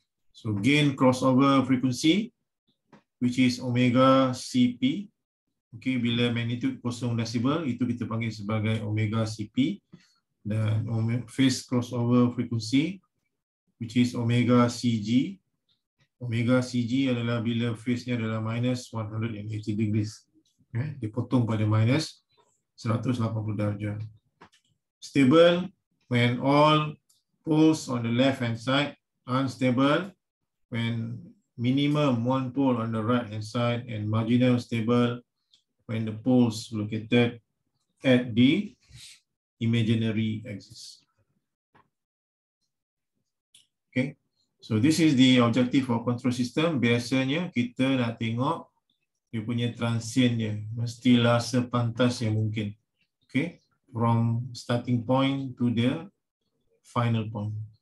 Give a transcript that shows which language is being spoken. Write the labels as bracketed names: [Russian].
[English] So gain crossover frequency, which is omega CP. [Malay] Okay, bila magnitude 0 decibel, itu kita panggil sebagai omega CP. [English] Dan phase crossover frequency, which is omega CG. [Malay] Omega CG adalah bila phase-nya adalah minus 180 degrees. Okay, dipotong pada minus 180 darjah. [English] Stable when all poles on the left-hand side. Unstable when minimum one pole on the right-hand side. And marginal stable when the poles located at the imaginary axis. Okay, so this is the objective of control system. [Malay] Biasanya kita nak tengok dia punya transientnya, mestilah sepantas yang mungkin. [English] Okay, from starting point to the final point.